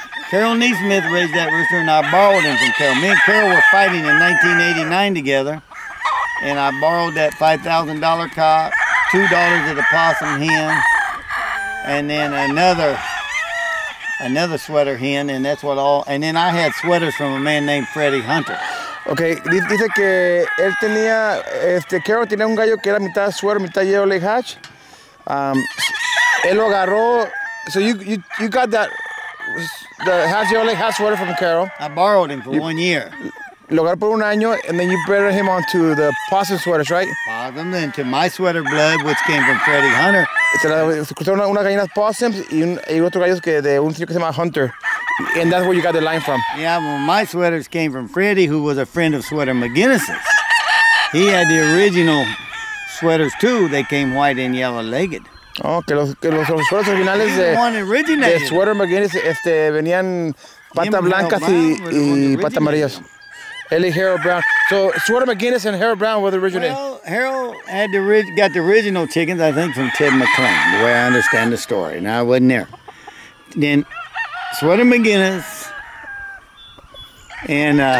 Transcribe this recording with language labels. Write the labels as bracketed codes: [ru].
[en] Carol Neesmith raised that rooster, and I borrowed him from Carol. Me and Carol were fighting in 1989 together, and I borrowed that $5,000 cop, $2 of the possum hen, and then another sweater hen, and that's what all. And then I had sweaters from a man named Freddie Hunter. [es] Okay, dice que él tenía, este, Carol tenía un gallo que era mitad sweater, mitad yellow leg hatch. Él lo agarró. [en] So you got that the half yellow leg hatch sweater from Carol. I borrowed him for you, 1 year. [es] Lo agarró por un año, [en] and then you buried him onto the possum sweaters, right? Possum, then to my sweater blood, which came from Freddie Hunter. [es] Se cruzaron unas gallinas possums y otros gallos que de un señor que se llama Hunter. [en] And that's where you got the line from. Yeah, well, my sweaters came from Freddie, who was a friend of Sweater McGinnis's. He had the original sweaters, too. They came white and yellow-legged. [es] Oh, que los sweaters originales de Sweater McGinnis este, venían patas blancas y patas amarillas. Ellie Harold Brown. [en] So, Sweater McGinnis and Harold Brown were the original. Well, Harold had got the original chickens, I think, from Ted McClain, the way I understand the story. Now, I wasn't there. Then, Sweater McGinnis and...